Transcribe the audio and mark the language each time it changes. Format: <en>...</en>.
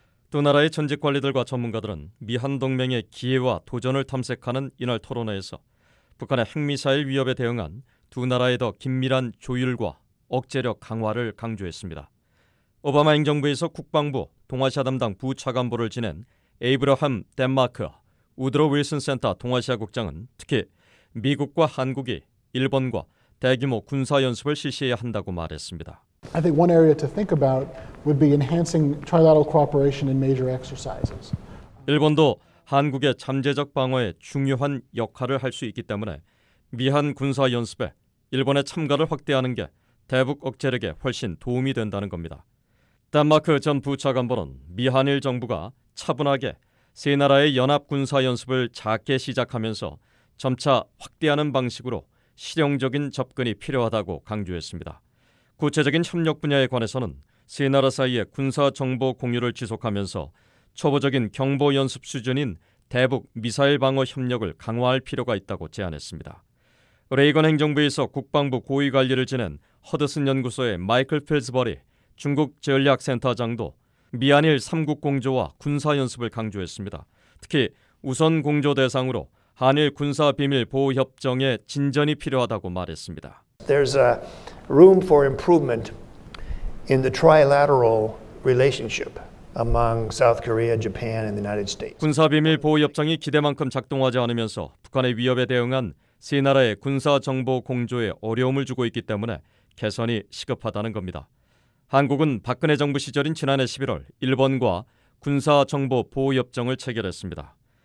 <ko>두 나라의 전직 관리들과 전문가들은 미한 동맹의 기회와 도전을 탐색하는 이날 토론회에서 북한의 핵미사일 위협에 대응한 두 나라의 더 긴밀한 조율과 억제력 강화를 강조했습니다. 오바마 행정부에서 국방부 동아시아 담당 부차관보를 지낸 에이브러햄 덴마크 우드로 윌슨 센터 동아시아 국장은 특히 미국과 한국이 일본과 대규모 군사 연습을 실시해야 한다고 말했습니다.</ko> <en>I think one area to think about would be enhancing trilateral cooperation in major exercises.</en> <ko>일본도 한국의 잠재적 방어에 중요한 역할을 할 수 있기 때문에 미한 군사 연습에 일본의 참가를 확대하는 게 대북 억제력에 훨씬 도움이 된다는 겁니다. 덴마크 전 부차관보는 미한일 정부가 차분하게 세 나라의 연합 군사 연습을 작게 시작하면서 점차 확대하는 방식으로 실용적인 접근이 필요하다고 강조했습니다. 구체적인 협력 분야에 관해서는 세 나라 사이의 군사 정보 공유를 지속하면서 초보적인 경보 연습 수준인 대북 미사일 방어 협력을 강화할 필요가 있다고 제안했습니다. 레이건 행정부에서 국방부 고위 관리를 지낸 허드슨 연구소의 마이클 필즈버리 중국 전략센터장도 미한일 3국 공조와 군사 연습을 강조했습니다. 특히 우선 공조 대상으로 한일 군사 비밀 보호 협정의 진전이 필요하다고 말했습니다.</ko> <en>There's a room for improvement in the trilateral relationship among South Korea, Japan and the United States.</en> <ko>군사 비밀 보호 협정이 기대만큼 작동하지 않으면서 북한의 위협에 대응한 세 나라의 군사 정보 공조에 어려움을 주고 있기 때문에 개선이 시급하다는 겁니다. 한국은 박근혜 정부 시절인 지난해 11월 일본과 군사정보보호협정을 체결했습니다.</ko>